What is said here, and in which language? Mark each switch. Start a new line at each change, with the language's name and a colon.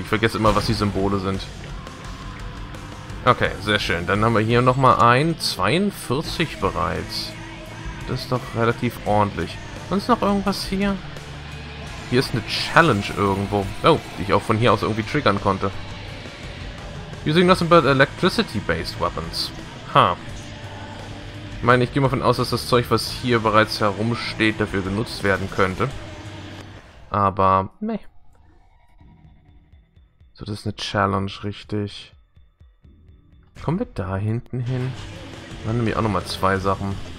German: Ich vergesse immer, was die Symbole sind. Okay, sehr schön. Dann haben wir hier nochmal ein 42 bereits. Das ist doch relativ ordentlich. Und ist noch irgendwas hier? Hier ist eine Challenge irgendwo. Oh, die ich auch von hier aus irgendwie triggern konnte.
English: Using nothing but electricity-based weapons. Ha.
German: Ich meine, ich gehe mal davon aus, dass das Zeug, was hier bereits herumsteht, dafür genutzt werden könnte. Aber, nee. So, das ist eine Challenge, richtig. Kommen wir da hinten hin? Dann nehme ich auch nochmal zwei Sachen.